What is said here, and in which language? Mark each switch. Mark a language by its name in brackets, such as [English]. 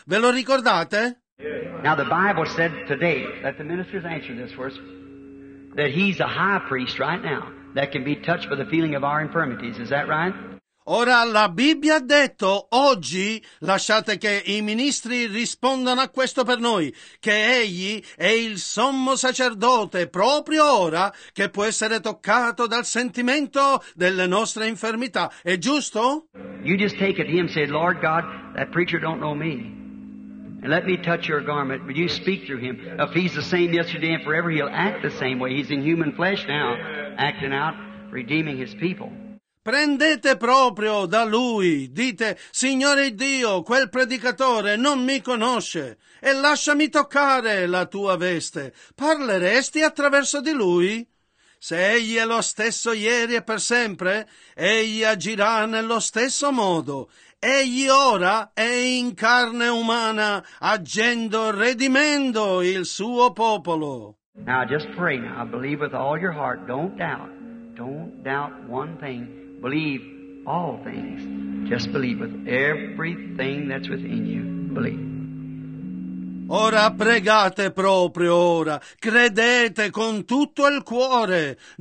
[Italian] Ve lo ricordate? [English] Now the Bible said today, let the ministers answer this for us, that he's a high priest right now that can be touched by the feeling of our infirmities. Is that right? [Italian] Ora la Bibbia ha detto oggi, lasciate che i ministri rispondano a questo per noi, che egli è il sommo sacerdote proprio ora che può essere toccato dal sentimento delle nostre infermità. È giusto? [English] You just take it to him and say, Lord God, that preacher don't know me. And let me touch your garment, but you speak through him. If he's the same yesterday and forever, he'll act the same way. He's in human flesh now, acting out, redeeming his people. [Italian] Prendete proprio da lui, dite, Signore Dio, quel predicatore non mi conosce, e lasciami toccare la tua veste. Parleresti attraverso di lui? Se egli è lo stesso ieri e per sempre, egli agirà nello stesso modo. Egli ora è in carne umana, agendo, redimendo il suo popolo. [English] Now just pray now, believe with all your heart, don't doubt one thing. Believe all things. Just believe with everything that's within you. Believe. [Italian] Ora pregate proprio ora. Credete con tutto il cuore.